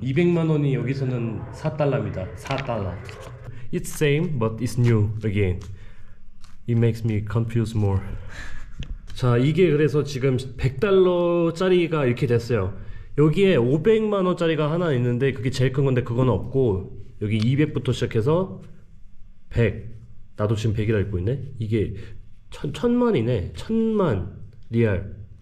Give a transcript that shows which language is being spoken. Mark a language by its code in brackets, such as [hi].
[ko] 200만 원이 여기서는 4달러입니다. 4달러. [en] It's same but it's new again. It makes me confuse more. [ko] 자, 이게 그래서 지금 100달러짜리가 이렇게 됐어요. 여기에 500만 원짜리가 하나 있는데 그게 제일 큰 건데 그건 없고 여기 200부터 시작해서 100. 나도 지금 100이라 읽고 있네. 이게 천만이네. 천만 리알.